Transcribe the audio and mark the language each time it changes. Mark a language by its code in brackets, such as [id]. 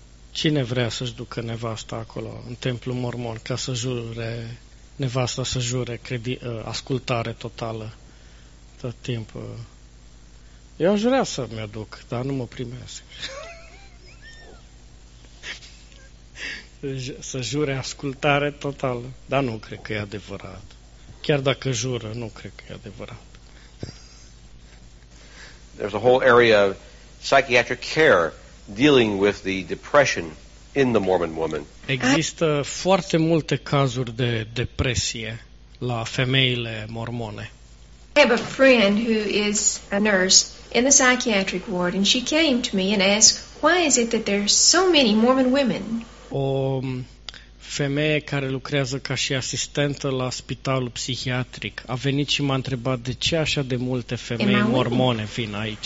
[ro] Cine vrea să-și ducă nevasta acolo, în templu mormon, ca să jure, nevasta să jure ascultare totală tot timpul? Eu aș vrea să-mi aduc, dar nu mă primesc. Să jure ascultare totală, dar nu cred că e adevărat. Chiar dacă jură, nu cred că e adevărat. [en] There's a whole area of psychiatric care dealing with the depression in the Mormon woman. [ro] Există foarte multe cazuri de depresie la femeile mormone. [en] I have a friend who is a nurse in the psychiatric ward and she came to me and asked, why is it that there's so many Mormon women? [ro] O femeie care lucrează ca și asistentă la spitalul psihiatric a venit și m-a întrebat de ce așa de multe femei mormone vin aici.